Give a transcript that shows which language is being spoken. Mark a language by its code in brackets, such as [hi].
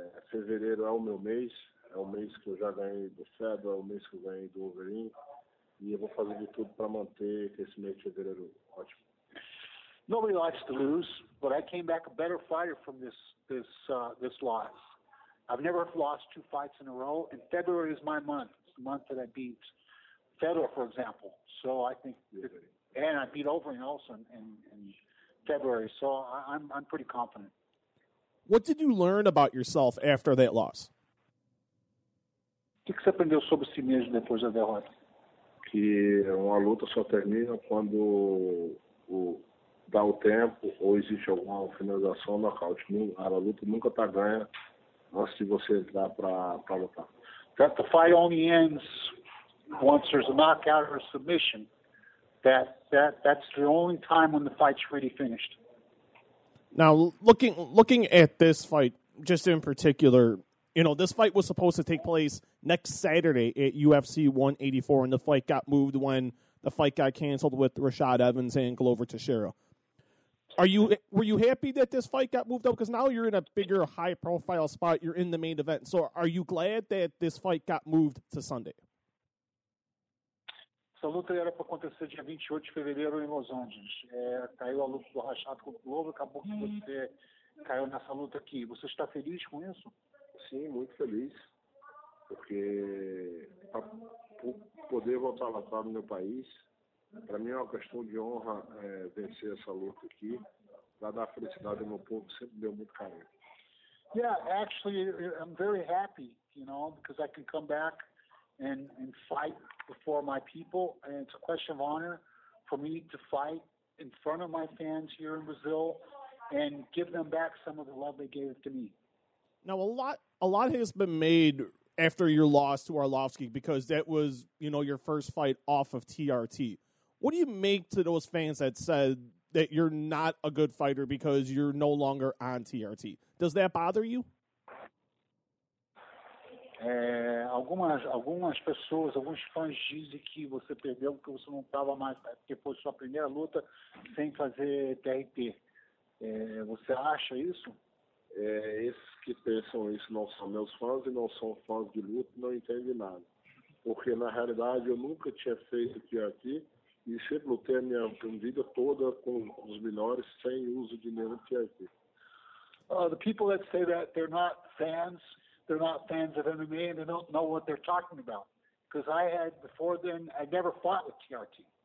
[pt] Fevereiro é o meu mês, é o mês que eu já ganhei do Fedor, é o mês que eu ganhei do Overeem, e eu vou fazer de tudo para manter esse mês de fevereiro ótimo. [en] Nobody likes to lose, but I came back a better fighter from this loss. I've never lost two fights in a row, and February is my month. It's the month that I beat Fedor, for example. So I think, and I beat Overeem also in February. So I'm pretty confident. What did you learn about yourself after that loss? [pt] O que você aprendeu sobre si mesmo depois da derrota? Que uma luta só termina quando dá o tempo ou existe alguma finalização, nocaute. A luta nunca está ganha antes de você dar para lutar. [en] That the fight only ends once there's a knockout or a submission. That's the only time when the fight's really finished. Now, looking at this fight, just in particular, you know, this fight was supposed to take place next Saturday at UFC 184, and the fight got moved when the fight got canceled with Rashad Evans and Glover Teixeira. Were you happy that this fight got moved up? Because now you're in a bigger, high-profile spot. You're in the main event. So are you glad that this fight got moved to Sunday? [pt] Essa luta era para acontecer dia 28 de fevereiro em Los Angeles. Caiu a luta do Rashad com o Glover, acabou que você caiu nessa luta aqui. Você está feliz com isso? Sim, muito feliz. Porque poder voltar a lutar no meu país, para mim é uma questão de honra vencer essa luta aqui. Para dar felicidade ao meu povo, sempre deu muito carinho. [en] Yeah, actually, I'm very happy, you know, because I can come back and fight before my people, and it's a question of honor for me to fight in front of my fans here in Brazil and give them back some of the love they gave to me. Now, a lot has been made after your loss to Arlovski, because that was, you know, your first fight off of TRT. What do you make to those fans that said that you're not a good fighter because you're no longer on TRT? Does that bother you? [pt] Algumas pessoas, alguns fãs dizem que você perdeu porque você não estava mais, porque foi sua primeira luta sem fazer TRT. Você acha isso? Esses que pensam isso não são meus fãs e não são fãs de luta, não entendem nada. Porque, na realidade, eu nunca tinha feito TRT e sempre lutei a minha vida toda com os melhores sem uso de nenhum TRT. [en] The people that say that they're not fans, they're not fans of MMA, and they don't know what they're talking about. Because I had, before then, I never fought with TRT.